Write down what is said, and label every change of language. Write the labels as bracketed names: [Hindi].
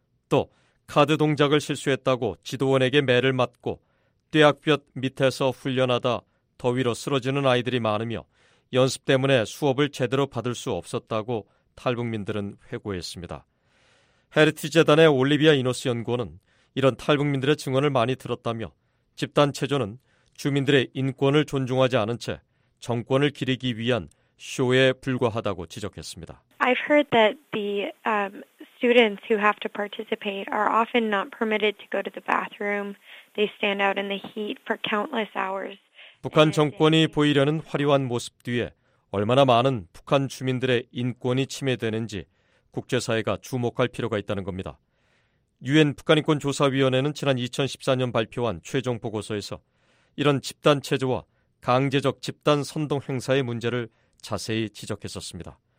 [Korean] 또 카드 동작을 실수했다고 지도원에게 매를 맞고 뙤약볕 밑에서 훈련하다 더위로 쓰러지는 아이들이 많으며 연습 때문에 수업을 제대로 받을 수 없었다고 탈북민들은 회고했습니다. 헤리티지재단의 올리비아 이노스 연구원은 이런 탈북민들의 증언을 많이 들었다며 집단 체조는 주민들의 인권을 존중하지 않은 채 정권을 기리기 위한 쇼에 불과하다고 지적했습니다. [English] I've heard that the students who have to participate are often not permitted to go to the bathroom. They stand out in the heat for countless hours. [Korean] 북한 정권이 보이려는 화려한 모습 뒤에 얼마나 많은 북한 주민들의 인권이 침해되는지 국제사회가 주목할 필요가 있다는 겁니다. 유엔 북한인권조사위원회는 지난 2014년 발표한 최종 보고서에서 이런 집단 체조와 강제적 집단 선동 행사의 문제를 자세히 지적했었습니다.